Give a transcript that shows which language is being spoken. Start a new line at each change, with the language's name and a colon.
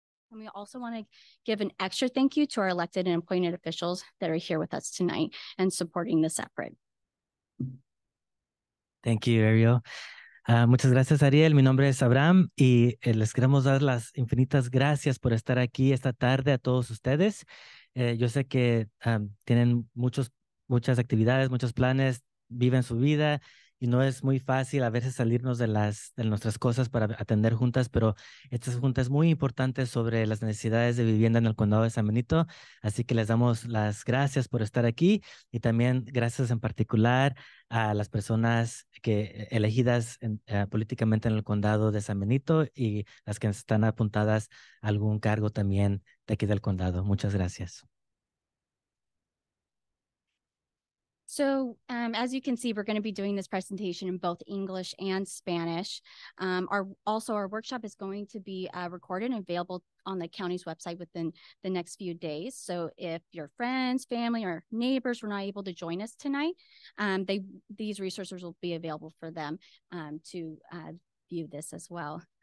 English: And we also want to give an extra thank you to our elected and appointed officials that are here with us tonight and supporting this effort. Thank you, Ariel.
Spanish: Muchas gracias, Ariel. Mi nombre es Abraham y les queremos dar las infinitas gracias por estar aquí esta tarde a todos ustedes. Yo sé que tienen muchas actividades, muchos planes, viven su vida. Y no es muy fácil a veces salirnos de nuestras cosas para atender juntas, pero esta junta es muy importante sobre las necesidades de vivienda en el condado de San Benito. Así que les damos las gracias por estar aquí y también gracias en particular a las personas que elegidas políticamente en el condado de San Benito y las que están apuntadas a algún cargo también de aquí del condado. Muchas gracias.
English: So as you can see, we're going to be doing this presentation in both English and Spanish. Our workshop is going to be recorded and available on the county's website within the next few days. So if your friends, family, or neighbors were not able to join us tonight, these resources will be available for them to view this as well.